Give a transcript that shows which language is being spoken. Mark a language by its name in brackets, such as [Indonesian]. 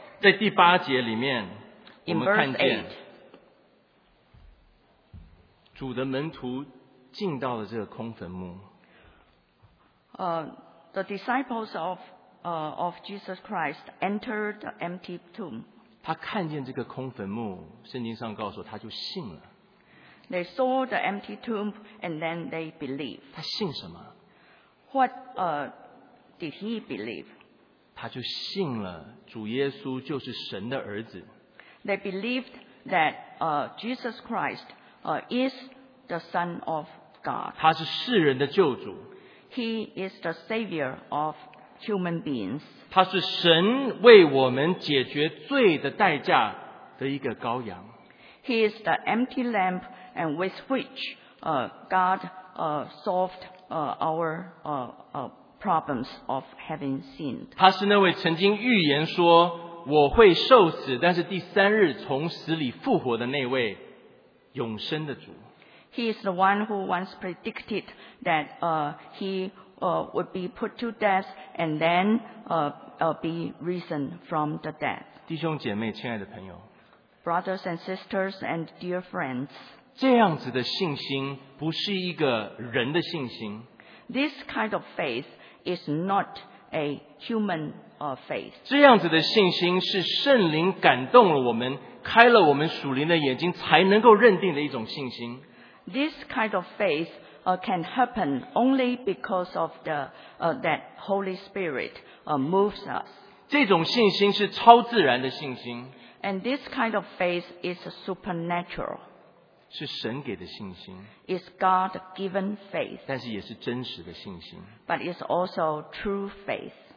[Chinese] 在第八节里面，我们看见主的门徒进到了这个空坟墓。 [English] The disciples of Jesus Christ entered the empty tomb. [Chinese] 他看见这个空坟墓，圣经上告诉他就信了。 [English] They saw the empty tomb and then they believed. [Chinese] 他信什么？ [English] What did he believe? [Chinese] 他就信了主耶稣就是神的儿子。 [English] They believed that Jesus Christ is the Son of God. [Chinese] 他是世人的救主。 [English] He is the savior of human beings. [Chinese] 他是神为我们解决罪的代价的一个羔羊。 [English] He is the empty lamp and with which God solved our problems of having sinned. [Chinese] 他是那位曾经预言说我会受死，但是第三日从死里复活的那位永生的主。 [English] He is the one who once predicted that he would be put to death and then be risen from the dead. [Chinese] 弟兄姐妹，亲爱的朋友。 [English] Brothers and sisters and dear friends. [Chinese] 这样子的信心不是一个人的信心。 [English] This kind of faith is not a human faith. [Chinese] 这样子的信心是圣灵感动了我们，开了我们属灵的眼睛，才能够认定的一种信心。 [English] This kind of faith can happen only because of the that Holy Spirit moves us. [Chinese] 这种信心是超自然的信心。 [English] And this kind of faith is supernatural. [Chinese] 是神给的信心。 [English] Is God-given faith. [Chinese] 但是也是真实的信心。 [English] But it's also true faith.